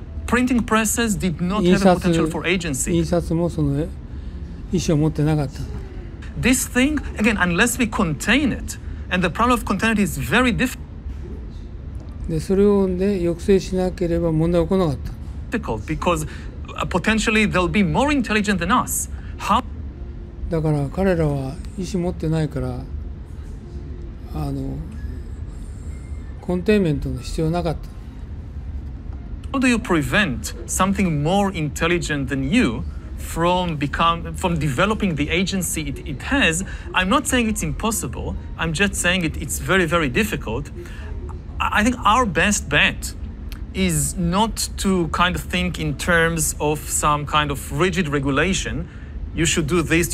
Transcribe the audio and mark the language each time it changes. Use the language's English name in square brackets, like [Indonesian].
[English] Printing presses did not have a potential for agency. [Japanese] 印刷もその意思を持ってなかった。 [English] This thing, again, unless we contain it, and the problem of containment is very difficult. [Japanese] で、それをね、抑制しなければ問題起こなかった。 [English] Difficult because potentially they'll be more intelligent than us. How? [Japanese] だから彼らは意思持ってないから、あの。コンテインメントの必要なかった。 [English] How do you prevent something more intelligent than you from become from developing the agency it has? I'm not saying it's impossible. I'm just saying it's very very difficult. I think our best bet is not to kind of think in terms of some kind of rigid regulation. You should do this.